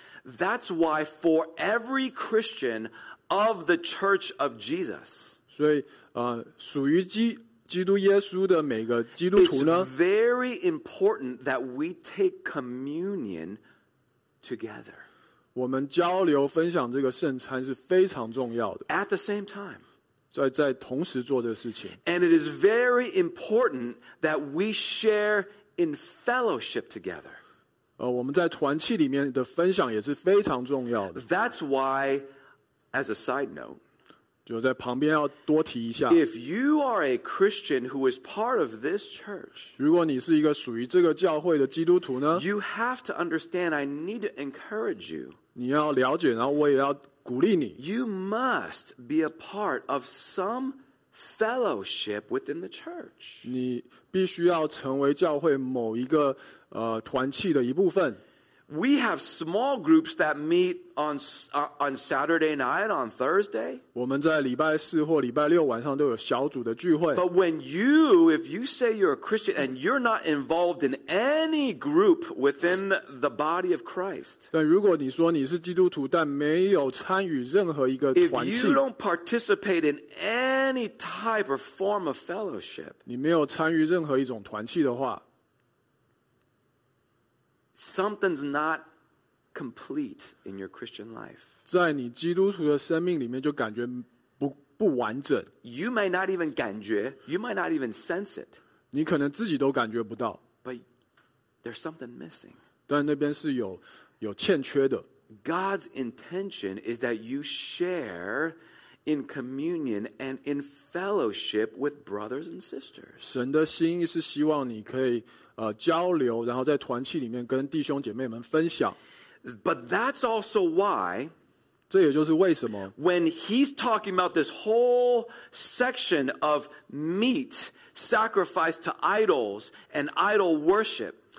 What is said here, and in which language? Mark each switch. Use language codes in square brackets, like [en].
[en] That's why for every Christian of the Church of Jesus, [zh] 所以, 属于基, [en] It's very important that we take communion together. [zh] 我们交流分享这个圣餐是非常重要的。 [en] At the same time. [zh] 在同时做这个事情。 [en] And it is very important that we share in fellowship together. [zh] 我们在团契里面的分享也是非常重要的。 [en] That's why, as a side note, [zh] 就在旁边要多提一下, [en] if you are a Christian who is part of this church, [zh] 如果你是一个属于这个教会的基督徒呢, [en] you have to understand, I need to encourage you. [zh] 你要了解, 然后我也要鼓励你, [en] you must be a part of some fellowship within the church. [zh] 你必须要成为教会某一个, 团契的一部分。 [en] We have small groups that meet on Saturday night, on Thursday. [zh] 我们在礼拜四或礼拜六晚上都有小组的聚会。 [en] But when you, if you say you're a Christian and you're not involved in any group within the body of Christ, [zh] 但如果你说你是基督徒但没有参与任何一个团契, [en] if you don't participate in any type or form of fellowship, [zh] 你没有参与任何一种团契的话, [en] something's not complete in your Christian life. [zh] 在你基督徒的生命里面就感觉不完整。 [en] You may not even 感觉, you might not even sense it. [zh] 你可能自己都感觉不到。 [en] But there's something missing. [zh] 但那边是有欠缺的。 [en] God's intention is that you share in communion and in fellowship with brothers and sisters. [zh] 神的心意是希望你可以 交流，然后在团契里面跟弟兄姐妹们分享。 [en] But that's also why, [zh] 这也就是为什么, [en] when he's talking about this whole section of meat sacrificed to idols and idol worship,